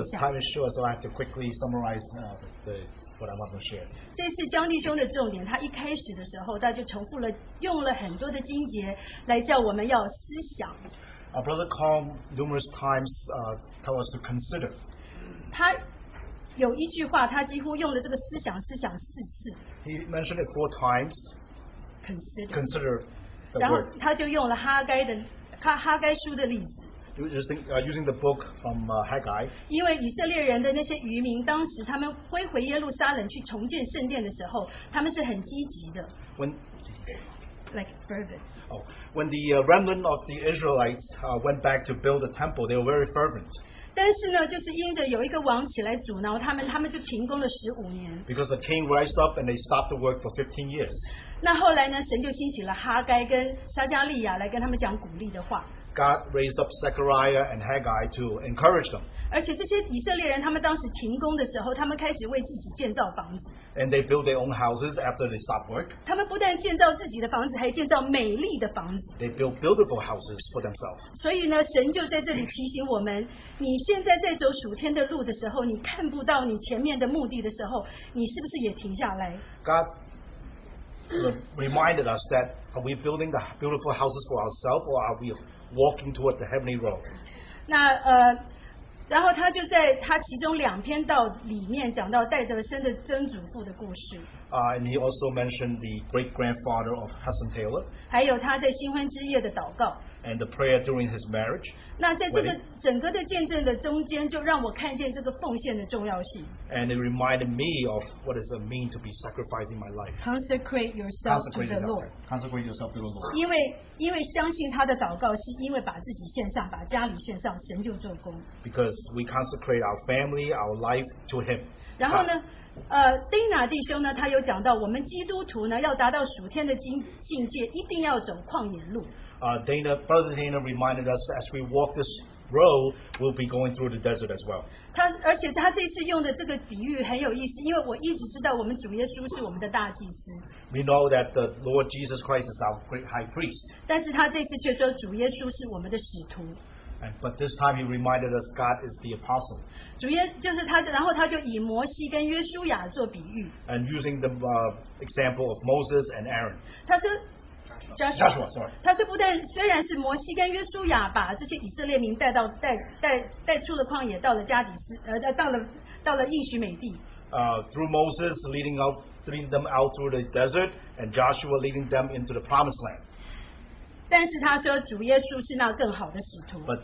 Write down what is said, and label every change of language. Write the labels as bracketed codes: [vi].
[en] Because time is short, so I have to quickly summarize what I want to share. [zh] 这次江弟兄的重点，他一开始的时候，他就重复了，用了很多的经节来叫我们要思想。 [en] Our brother Carl numerous times, tell us to consider. [zh] 他有一句话，他几乎用了这个思想四次。 [en] He mentioned it four times. Consider the word. [zh] 然后他就用了哈该书的例子。 [en] Using the book from Haggai. [zh] 因为以色列人的那些渔民，当时他们归回耶路撒冷去重建圣殿的时候，他们是很积极的。 [en] Like fervent. Oh, when the remnant of the Israelites went back to build the temple, they were very fervent. [zh] 但是呢，就是因着有一个王起来阻挠他们就停工了15年。 [en] Because the king rose up and they stopped the work for 15 years. [zh] 那后来呢，神就兴起了哈该跟撒加利亚来跟他们讲鼓励的话。 [en] God raised up Zechariah and Haggai to encourage them. [zh] 而且这些以色列人，他们当时停工的时候，他们开始为自己建造房子。 [en] And they built their own houses after they stopped work. [zh] 他们不但建造自己的房子，还建造美丽的房子。 [en] They built beautiful houses for themselves. [zh] 所以呢，神就在这里提醒我们：你现在在走属天的路的时候，你看不到你前面的目的的时候，你是不是也停下来 [en] ？God reminded us that are we building the beautiful houses for ourselves, or are we walking toward the heavenly road? [zh] 那然后他就在他其中两篇道里面讲到戴德生的曾祖父的故事。 [en] And he also mentioned the great grandfather of Hudson Taylor. [zh] 还有他在新婚之夜的祷告。 [en] And the prayer during his marriage. [zh] 那在这个整个的见证的中间，就让我看见这个奉献的重要性。 [en] And it reminded me of what does it mean to be sacrificing my life. Consecrate yourself to the Lord. [zh] 因为相信他的祷告，是因为把自己献上，把家里献上，神就做工。 [en] Because we consecrate our family, our life to Him. [zh] 然后呢？ Dana 弟兄呢，他有讲到，我们基督徒呢，要达到属天的境界，一定要走旷野路。 [en] Brother Dana reminded us, as we walk this road, we'll be going through the desert as well. [zh] 而且他这次用的这个比喻很有意思，因为我一直知道我们主耶稣是我们的大祭司。 [en] We know that the Lord Jesus Christ is our great high priest. [zh] 但是他这次却说主耶稣是我们的使徒。 [en] But this time he reminded us God is the apostle. [zh] 主耶就是他，然后他就以摩西跟约书亚做比喻。 [en] And using the example of Moses and Aaron. [zh] 他说 [en] Joshua, sorry. [zh] 他说不但虽然是摩西跟约书亚把这些以色列民带出了旷野，到了加底斯，到了应许美地。 [en] Through Moses leading them out through the desert, and Joshua leading them into the promised land. [zh] 但是他说主耶稣是那更好的使徒。